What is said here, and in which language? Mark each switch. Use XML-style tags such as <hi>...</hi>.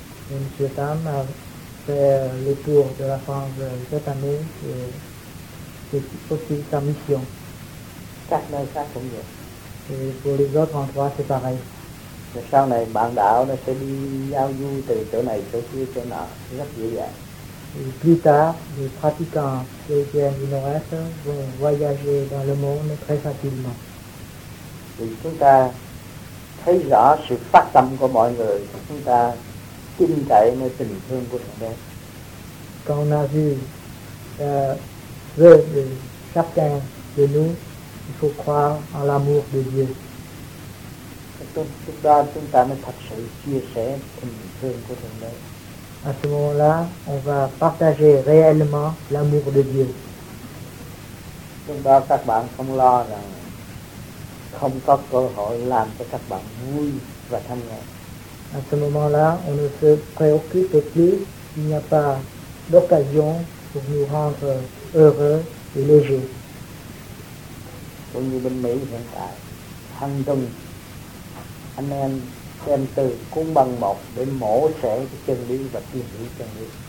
<fr>Monsieur Tam a fait le tour de la France cette année et c'est aussi sa mission. Et pour les autres endroits c'est pareil.</fr> <vi>Rồi sau này bạn đạo nó sẽ đi giao du từ chỗ này chỗ kia chỗ nọ rất dễ dàng.</vi> <fr>Et plus tard, les pratiquants chrétiens du Nord-Est vont voyager dans le monde très facilement.</fr> <vi>Thì chúng ta thấy rõ sự phát tâm của mọi người, chúng ta tin cậy nơi tình thương của Thượng Đế.</vi> <fr>Quand on a vu vœu de chacun de nous, il faut croire en l'amour de Dieu.</fr> <vi>Lúc đó chúng ta mới thật sự chia sẻ tình thương của Thượng Đế.</vi> <fr>À ce moment-là, on va partager réellement l'amour de Dieu.</fr> <vi>Lúc đó các bạn không lo rằng không có cơ hội làm cho các bạn vui và thanh nhẹ.</vi> <fr>À ce moment-là, on ne se préoccupe plus, il n'y a pas d'occasion pour nous rendre heureux et léger.</fr> <vi>Cũng như bên Mỹ hiện tại, hàng tuần anh em đem từ cuốn băng một để mổ xẻ cái chân lý và tìm hiểu chân lý.</vi>